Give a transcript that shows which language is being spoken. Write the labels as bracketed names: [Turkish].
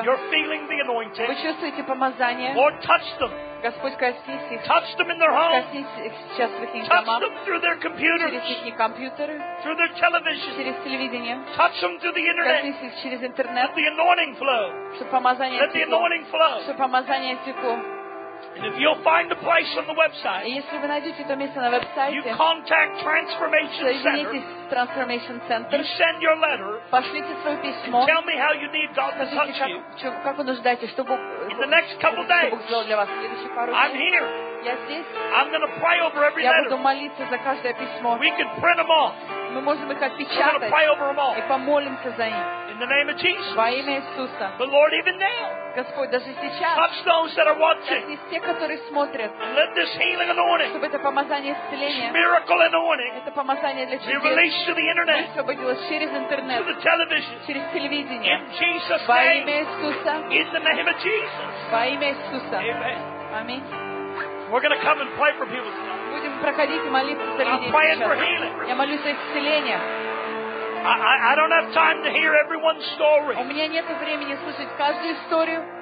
[English] You're feeling the anointing. [Russian] Вы чувствуете помазание. [English] Lord, touch them. [Russian] Господь, коснись их. [English] Touch them in their homes. [Russian] Сейчас в их домах. [English] Touch them through their computers. [Russian] Через их компьютеры. [English] Through their television. [Russian] Через телевидение. [English] Touch them through the internet. [Russian] Коснись их через интернет. [English] Let the anointing flow. [Russian] Чтобы помазание текло. [English] Let the anointing flow. [Russian] Чтобы помазание текло. [English] And if you'll find a place on the website, [Russian] и если вы найдете то место на веб-сайте, [English] you contact Transformation Center. [Russian] Соединитесь с Transformation Center. [English] You send your letter. [Russian] Пошлите свое письмо. [English] Tell me how you need God to touch you. [Russian] Как вы нуждаетесь, чтобы Бог сделал для вас следующие пару дней? [English] I'm here. [Russian] Я здесь. [English] I'm going to pray over every [Russian] letter. Я буду молиться за каждое письмо. [English] We can print them off. [Russian] Мы можем их отпечатать и помолимся за них. [English] In the name of Jesus. [Russian] Во имя Иисуса. [English] The Lord, even now. [Russian] Господь, даже сейчас. [English] Touch those that are watching. [Russian] Коснись те, которые смотрят. [English] Let this healing anointing. [Russian] Чтобы это помазание исцеления. [English] Miracle anointing. [Russian] Это помазание для чудес. [English] Be released to the internet. [Russian] Высвободилось через интернет. [English] To the television. [Russian] Через телевидение. [English] In Jesus' name. [Russian] Во имя Иисуса. [English] In the name of Jesus. [Russian] Во имя Иисуса. [English] Amen. [Russian] Аминь. [English] We're going to come and pray for people tonight. [Russian] Будем проходить и молиться за людей. [English] I'm praying for healing. [Russian] Я молюсь о исцелении. [English] I don't have time to hear everyone's story. [Russian] У меня нет времени слушать каждую историю.